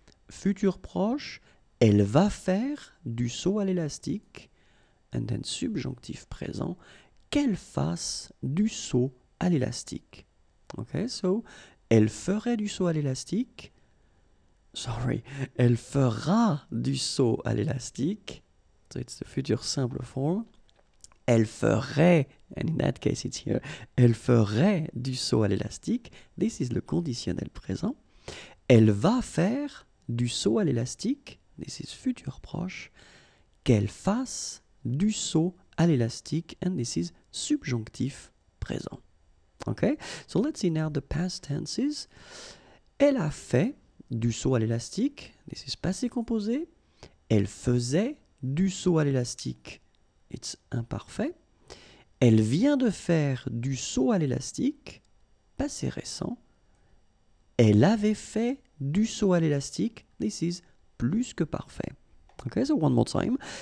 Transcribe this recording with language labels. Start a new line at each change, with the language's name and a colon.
French: Futur proche: elle va faire du saut à l'élastique.
English: And then
French: subjonctif présent: qu'elle fasse du saut à l'élastique.
English: Okay, so
French: elle ferait du saut à l'élastique.
English: Sorry,
French: elle fera du saut à l'élastique.
English: So it's the future simple form.
French: Elle ferait,
English: and in that case it's here,
French: elle ferait du saut à l'élastique.
English: This is
French: le conditionnel présent. Elle va faire du saut à l'élastique.
English: This is future proche.
French: Qu'elle fasse du saut à l'élastique.
English: And this is subjonctif présent. Okay, so let's see now the past tenses.
French: Elle a fait du saut à l'élastique.
English: This is
French: passé composé. Elle faisait du saut à l'élastique.
English: It's
French: imparfait. Elle vient de faire du saut à l'élastique. Passé récent. Elle avait fait du saut à l'élastique.
English: This is
French: plus que parfait.
English: Okay, so one more time.